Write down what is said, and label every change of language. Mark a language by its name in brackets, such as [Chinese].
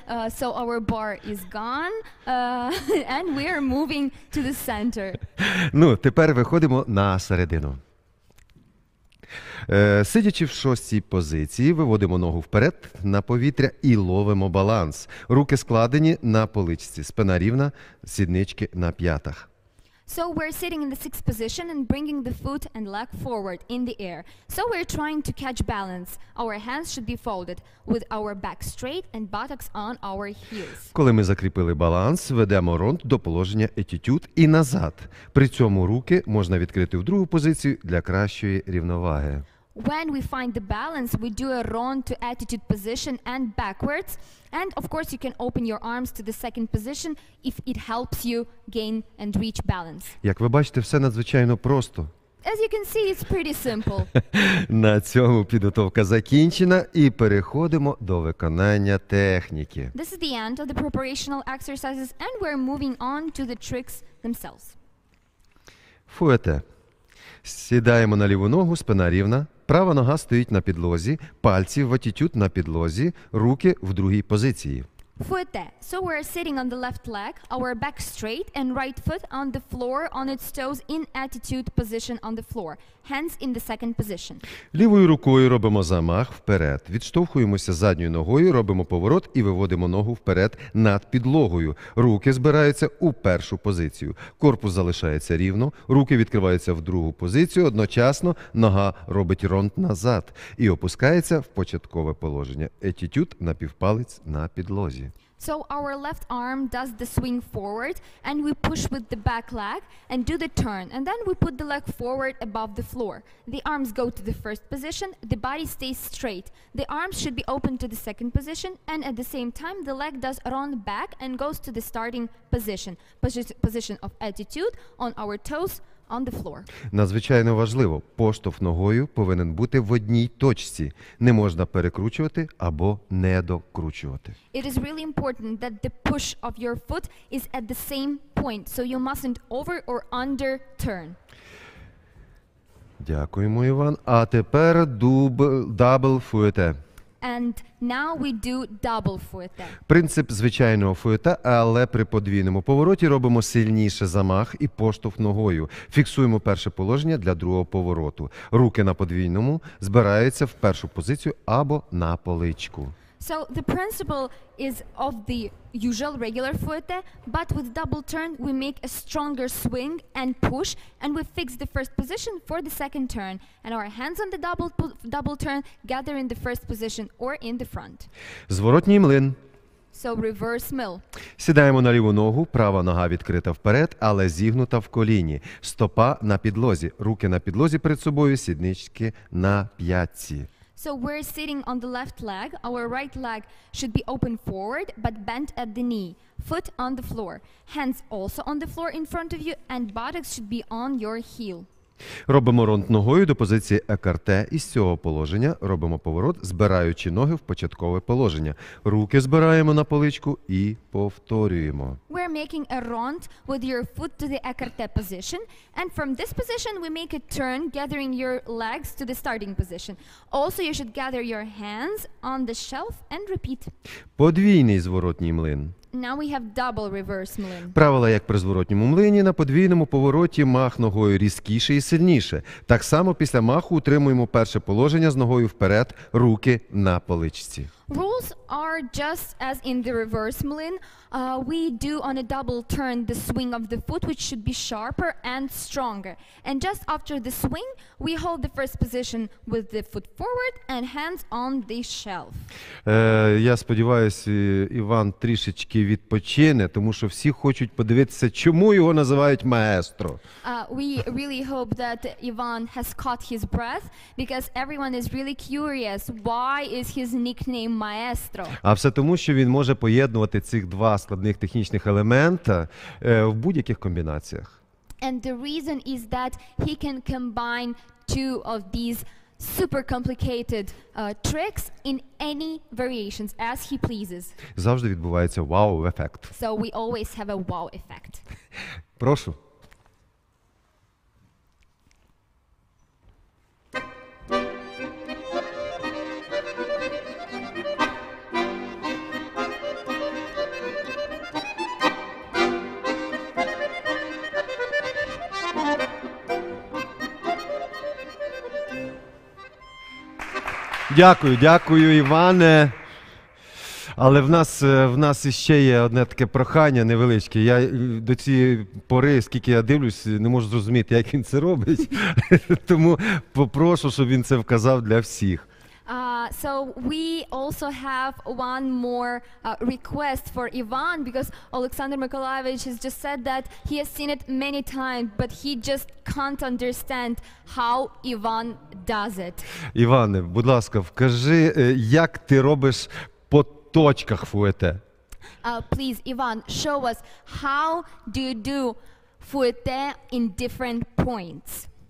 [English] So our bar is gone, and we are moving to the center. [Ukrainian] Ну, тепер виходимо на середину. Сидячи в шостій позиції, виводимо ногу вперед на повітря і ловимо баланс. Руки складені на поличці, спина рівна, сіднички на п'ятах. [English] So we're sitting in the sixth position and bringing the foot and leg forward in the air. So we're trying to catch balance. Our hands should be folded with our back straight and buttocks on our heels. [Ukrainian] Коли ми закріпили баланс, ведемо ронд до положення етитюд і назад. При цьому руки можна відкрити в другу позицію для кращої рівноваги. [English] When we find the balance, we do a round to attitude position and backwards. And of course, you can open your arms to the second position if it helps you gain and reach balance. [Ukrainian] Як ви бачите, все надзвичайно просто. [English] As you can see, it's pretty simple. [Ukrainian] На цьому підготовка закінчена і переходимо до виконання техніки. [English] This is the end of the preparational exercises and we're moving on to the tricks themselves. [Ukrainian] Фуете. Сідаємо на ліву ногу, спина рівна. Права нога стоїть на підлозі, пальці в атітюд на підлозі, руки в другій позиції. [English] Footé. So we're sitting on the left leg, our back straight and right foot on the floor on its toes in attitude position on the floor. Hands in the second position. [Ukrainian] Лівою рукою робимо замах вперед. Відштовхуємося задньою ногою, робимо поворот і виводимо ногу вперед над підлогою. Руки збираються у першу позицію. Корпус залишається рівно, руки відкриваються в другу позицію, одночасно нога робить ронд назад і опускається в початкове положення. Етітюд на півпалець на підлозі. [English] So our left arm does the swing forward and we push with the back leg and do the turn and then we put the leg forward above the floor. The arms go to the first position, the body stays straight. The arms should be open to the second position and at the same time the leg does round back and goes to the starting position, position of attitude on our toes. On the floor. [Ukrainian] Надзвичайно важливо, поштовх ногою повинен бути в одній точці. Не можна перекручувати або не докручувати. [English] It is really important that the push of your foot is at the same point, so you mustn't over or under turn. [Ukrainian] Дякуємо, Іван. А тепер [English] double footé. And now we do double footé. [Ukrainian] Принцип звичайного footé, але при подвійному повороті робимо сильніше замах і поштовх ногою. Фіксуємо перше положення для другого повороту. Руки на подвійному збираються в першу позицію або на поличку. [English] So the principle is of the usual regular footé, but with double turn we make a stronger swing and push and we fix the first position for the second turn and our hands on the double turn gather in the first position or in the front. [Ukrainian] Зворотній млин. [English] So reverse mill. [Ukrainian] Сідаємо на ліву ногу, права нога відкрита вперед, але зігнута в коліні. Стопа на підлозі, руки на підлозі перед собою, сіднички на п'ятці. [English] So we're sitting on the left leg, our right leg should be open forward, but bent at the knee, foot on the floor, hands also on the floor in front of you, and buttocks should be on your heel. [Ukrainian] Робимо ронд ногою до позиції екарте, і з цього положення робимо поворот, збираючи ноги в початкове положення. Руки збираємо на поличку і повторюємо. [English] We're making a rond with your foot to the écarté position, and from this position we make a turn, gathering your legs to the starting position. Also, you should gather your hands on the shelf and repeat. [Ukrainian] Подвійний зворотній млин. [English] Now we have double reverse млин. [Ukrainian] Правила, як при зворотньому млині, на подвійному повороті мах ногою різкіше і сильніше. Так само після маху утримуємо перше положення з ногою вперед, руки на поличці. [English] Rules are just as in the reverse млин. We do on a double turn the swing of the foot, which should be sharper and stronger. And just after the swing, we hold the first position with the foot forward and hands on the shelf. [Ukrainian] Я сподіваюся, Іван трішечки відпочине, тому що всі хочуть подивитися, чому його називають маестро. [English] We really hope that Ivan has caught his breath, because everyone is really curious, why is his nickname маестро? [Ukrainian] А все тому, що він може поєднувати цих два складних технічних елемента в будь-яких комбінаціях. [English] And the reason is that he can combine two of these super complicated tricks in any variations as he pleases. [Ukrainian] Завжди відбувається вау-ефект. [English] So we always have a wow effect. [Ukrainian] Прошу. Дякую, дякую, Іване. Але в нас іще є одне таке прохання невеличке. Я до цієї пори, скільки я дивлюсь, не можу зрозуміти, як він це робить. Тому попрошу, щоб він це вказав для всіх. [English] So we also have one more request for Ivan, because Alexander Mikolaevich has just said that he has seen it many times, but he just can't understand how Ivan does it. [Ukrainian] Іване, будь ласка, вкажи, як ти робиш по точках footé? [English] Please, Ivan, show us how do you do footé in different points.